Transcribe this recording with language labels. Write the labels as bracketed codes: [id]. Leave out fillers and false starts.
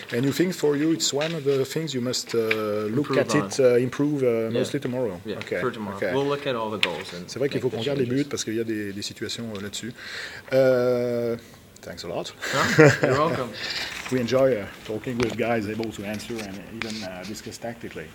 [en] And you think for you it's one of the things you must look improve at it, improve mostly tomorrow. Yeah, okay. For tomorrow. Okay. We'll look at all the goals. And [fr] c'est vrai qu'il faut qu'on regarde les buts parce qu'il y a des situations là-dessus. [en] Thanks a lot. Huh? You're welcome. We enjoy talking with guys able to answer and even discuss tactically.